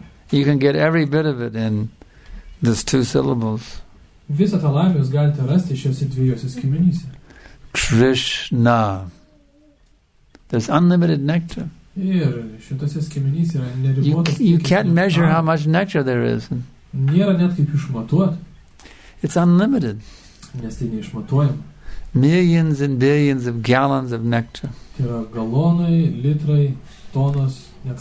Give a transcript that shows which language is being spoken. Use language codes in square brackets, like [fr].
[en] You can get every bit of it in these two syllables. [lt] Visą tą laimę jūs galite rasti šiuose dviejose skiemenyse. [en] Krishna. There's unlimited nectar. [lt] Ir šiuose skiemenyse yra neribotas. [en] You can't measure how much nectar there is. [lt] Nėra net kaip išmatuoti. [en] It's unlimited. [lt] Nes tai neišmatuojama. [en] Millions and billions of gallons of nectar. [lt] Tai yra galonai, litrai, tonos nektaro.